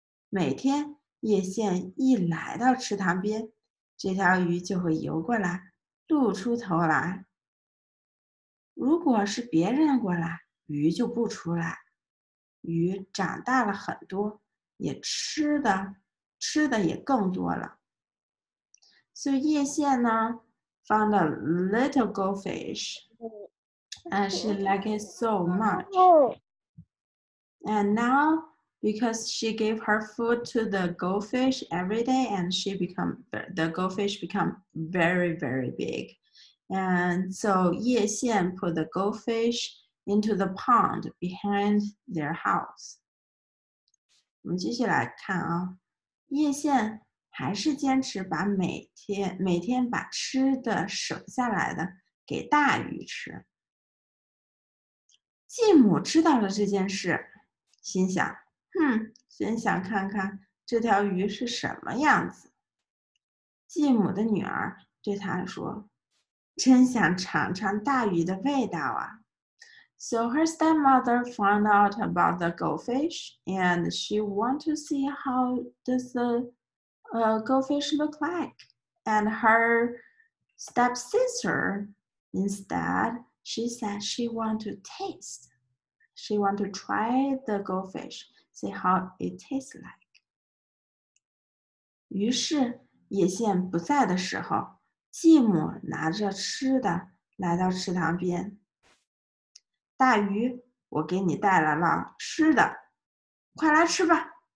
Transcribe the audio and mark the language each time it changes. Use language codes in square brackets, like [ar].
[zh] 每天叶县一来到池塘边，这条鱼就会游过来，露出头来。如果是别人过来，鱼就不出来。鱼长大了很多，也吃的也更多了。所以叶县呢 [en] found a little goldfish, and she liked it so much. And now Because she gave her food to the goldfish every day, and she become the goldfish become very, very big. And so Ye Xian put the goldfish into the pond behind their house. [zh] 我们继续来看啊，叶县还是坚持把每天把吃的省下来的给大鱼吃。继母知道了这件事，心想，哼，真想看看这条鱼是什么样子。继母的女儿对她说，真想尝尝大鱼的味道啊。 [en] So her stepmother found out about the goldfish, and she wanted to see how does the goldfish look like. And her stepsister, instead, she said she wanted to taste. She wanted to try the goldfish, see how it tastes like. [zh] 于是野县不在的时候，继母拿着吃的来到池塘边。大鱼，我给你带来了吃的，快来吃吧。